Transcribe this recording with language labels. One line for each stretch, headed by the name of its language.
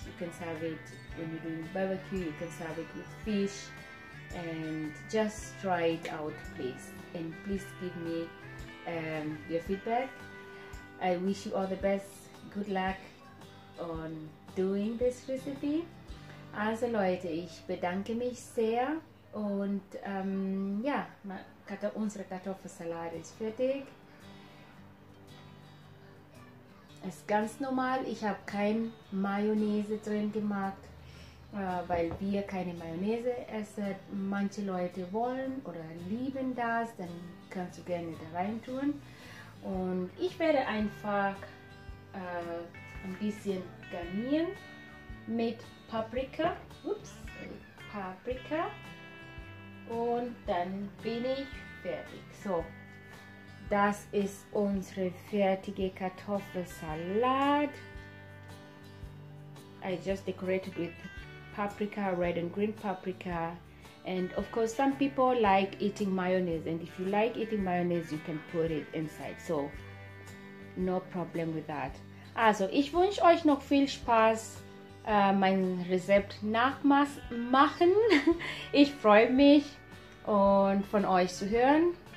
English: You can serve it when you're doing barbecue. You can serve it with fish. And just try it out, please. And please give me your feedback. I wish you all the best, good luck on doing this recipe.
German: Also Leute, ich bedanke mich sehr und unsere Kartoffelsalat ist fertig. Ist ganz normal, ich habe kein Mayonnaise drin gemacht, weil wir keine Mayonnaise essen. Manche Leute wollen oder lieben das, dann kannst du gerne da rein tun. Und ich werde einfach ein bisschen garnieren mit Paprika. Ups, Paprika. Und dann bin ich fertig. So, das ist unsere fertige Kartoffelsalat.
English: I just decorated with paprika, red and green paprika. And of course, some people like eating mayonnaise, and if you like eating mayonnaise, you can put it inside. So, no problem with that.
German: Also, ich wünsche euch noch viel Spaß, mein Rezept nachmachen. Ich freue mich, und von euch zu hören.